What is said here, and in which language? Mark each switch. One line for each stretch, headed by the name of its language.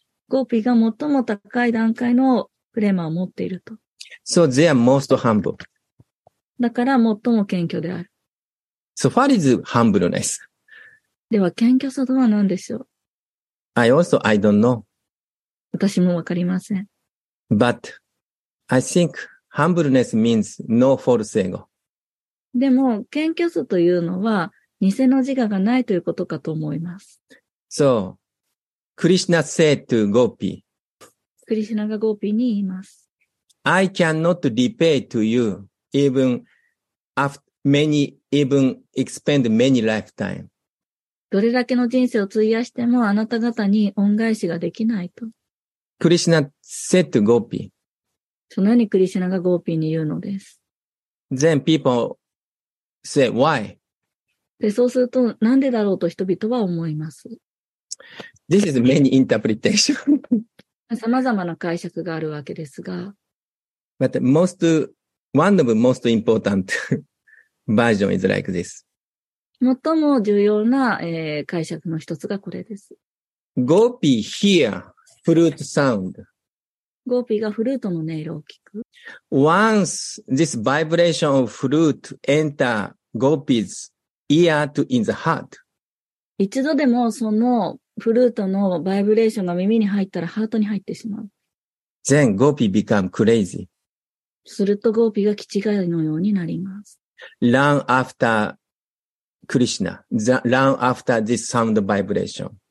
Japanese: Gopi が最も高い段階のプレマを持っていると。
English: So they are most humble.
Japanese: だから最も謙虚である。
English: So far is humbleness.
Japanese: では謙虚さとは何でしょう?
English: I also, I don't know.
Japanese: 私もわかりません。
English: But I think humbleness means no false ego.
Japanese: でも謙虚さというのは偽の自我がないということかと思います。
English: So, Krishna said to Gopi.
Japanese: クリシュナがゴーピーに言います。
English: I cannot repay to you even after even expend many lifetime.
Japanese: どれだけの人生を費やしてもあなた方に恩返しができないと。
English: クリシュナ said to Gopi.
Japanese: そのようにクリシュナがゴーピーに言うのです。
English: Then people say, why?
Japanese: でそうすると、なんでだろうと人々は思います。
English: This is many interpretation.
Japanese: 様々な解釈があるわけですが。
English: But the most, one of the most important version is like this.
Japanese: 最も重要な、解釈の一つがこれです。
English: Gopi hear flute sound.
Japanese: Gopi がフルートの音色を聞く。
English: Once this vibration of flute enter Gopi's ear to in the heart.
Japanese: 一度でもそのフルートのバイブレーションが耳に入ったらハートに入ってしまう。
English: Then Gopi become crazy.
Japanese: するとゴーピーが気違いのようになります。
English: Run after Krishna. Run after this sound vibration.